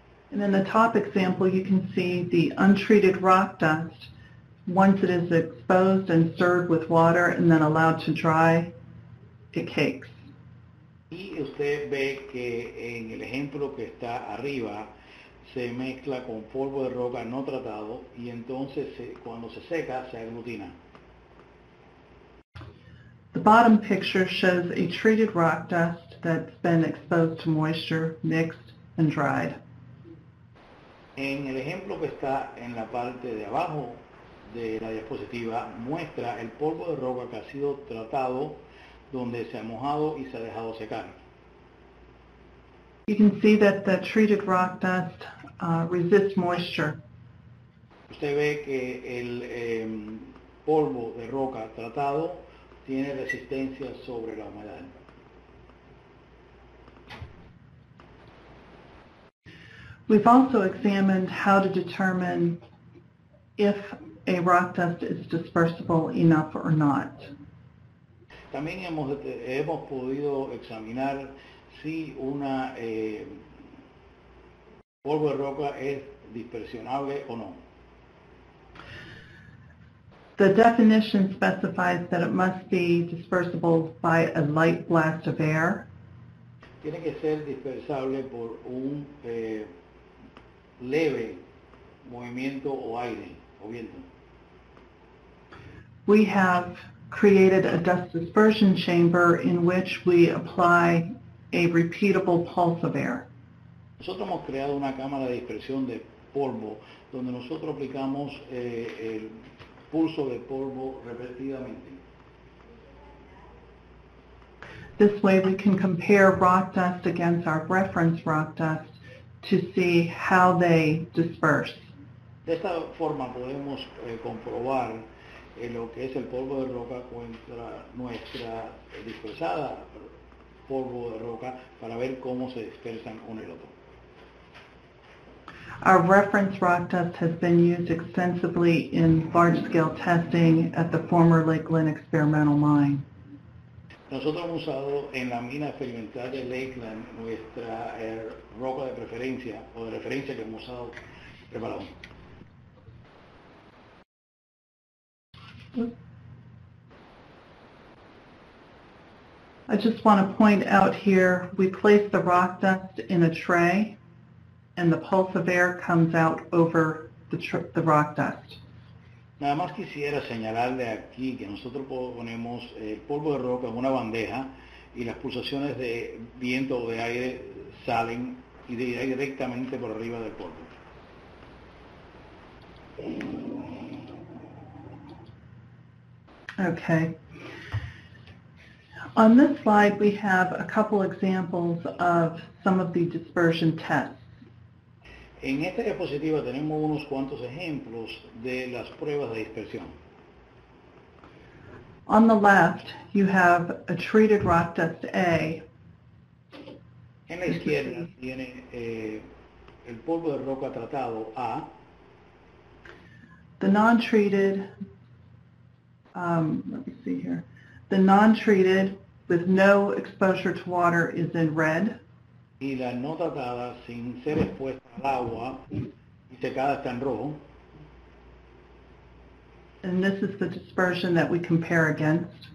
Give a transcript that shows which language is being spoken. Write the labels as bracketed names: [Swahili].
[English] And in the top example, you can see the untreated rock dust, once it is exposed and stirred with water and then allowed to dry, it cakes. [Spanish] Y usted ve que en el ejemplo que está arriba se mezcla con polvo de roca no tratado y entonces cuando se seca se aglutina. [English] The bottom picture shows a treated rock dust that's been exposed to moisture, mixed and dried. [Spanish] En el ejemplo que está en la parte de abajo de la diapositiva muestra el polvo de roca que ha sido tratado, donde se ha mojado y se ha dejado secar. [English] You can see that the treated rock dust resists moisture. [Spanish] Usted ve que el polvo de roca tratado tiene resistencia sobre la humedad. [English] We've also examined how to determine if a rock dust is dispersible enough or not. [Spanish] También hemos podido examinar si una polvo de roca es dispersionable o no. [English] The definition specifies that it must be dispersible by a light blast of air. [Spanish] Tiene que ser dispersable por un leve movimiento o aire o viento. [English] We have created a dust dispersion chamber in which we apply a repeatable pulse of air. [Spanish] Nosotros hemos creado una cámara de dispersión de polvo donde nosotros aplicamos el pulso de polvo repetidamente. [English] This way we can compare rock dust against our reference rock dust to see how they disperse. [Spanish] De esta forma podemos comprobar lo que es el polvo de roca contra nuestra dispersada polvo de roca para ver cómo se dispersan uno y el otro. [English] Our reference rock dust has been used extensively in large-scale testing at the former Lake Lynn experimental mine. [Spanish] Nosotros hemos usado en la mina experimental de Lakeland nuestra roca de preferencia o de referencia que hemos usado preparado. [English] I just want to point out here, we place the rock dust in a tray and the pulse of air comes out over the rock dust. [Spanish] Nada más quisiera señalarle aquí que nosotros ponemos el polvo de roca en una bandeja y las pulsaciones de viento o de aire salen y de aire directamente por arriba del polvo. [English] Okay. On this slide, we have a couple examples of some of the dispersion tests. [Spanish] En esta diapositiva tenemos unos cuantos ejemplos de las pruebas de dispersión. [English] On the left, you have a treated rock dust A. [Spanish] En la izquierda tiene el polvo de roca tratado A. [English] The non-treated, let me see here, the non-treated with no exposure to water is in red. [Spanish] Y la no tratada sin ser expuesta al agua y secada está en rojo. [English] And this is the dispersion that we compare against.